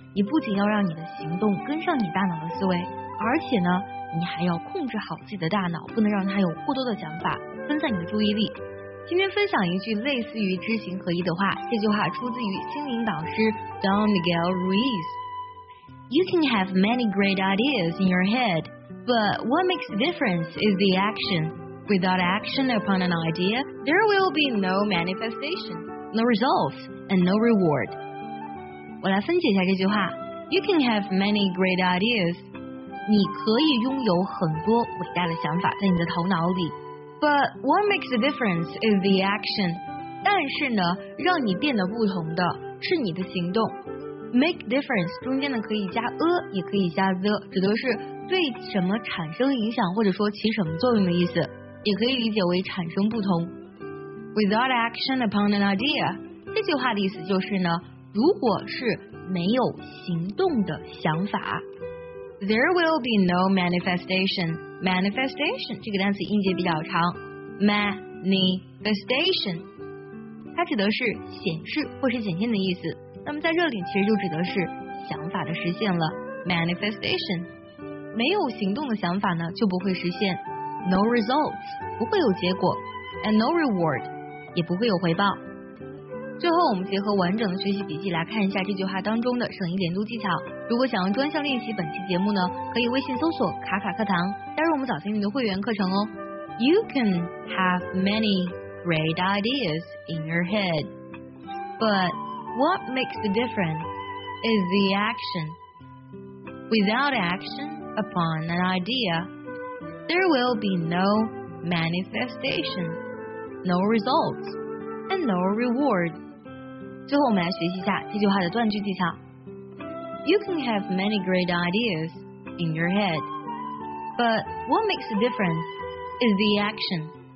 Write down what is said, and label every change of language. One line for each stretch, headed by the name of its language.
Chinese: 你不仅要让你的行动跟上你大脑的思维，而且呢，你还要控制好自己的大脑，不能让它有过多的想法，分散你的注意力。今天分享一句类似于知行合一的话，这句话出自于心灵导师 Don Miguel Ruiz。
English: You can have many great ideas in your head, but what makes a difference is the action. Without action upon an idea, there will be no manifestation, no results, and no reward.
Chinese: 我来分解一下这句话。
English: You can have many great ideas.
Chinese: 你可以拥有很多伟大的想法在你的头脑里。
English: But what makes a difference is the action.
Chinese: 但是呢，让你变得不同的是你的行动。 Make difference 中间呢可以加 a 也可以加 the， 指的是对什么产生影响或者说起什么作用的意思，也可以理解为产生不同。
English: Without action upon an idea，
Chinese: 这句话的意思就是呢，如果是没有行动的想法，
English: There will be no manifestationManifestation
Chinese: 这个单词音节比较长， manifestation 它指的是显示或是显现的意思，那么在这里其实就指的是想法的实现了。 manifestation 没有行动的想法呢就不会实现，
English: no results
Chinese: 不会有结果，
English: and no reward
Chinese: 也不会有回报。最后我们结合完整的学习笔记来看一下这句话当中的省一连读技巧。如果想要专项练习本期节目呢，可以微信搜索卡卡课堂，加入我们早间的会员课程哦。
English: You can have many great ideas in your head, but what makes the difference is the action. Without action upon an idea, there will be no manifestation, no results, and no reward.
Chinese: 最后我们来学习一下这句话的断句技巧。
English: You can have many great ideas in your head, but what makes a difference is the action.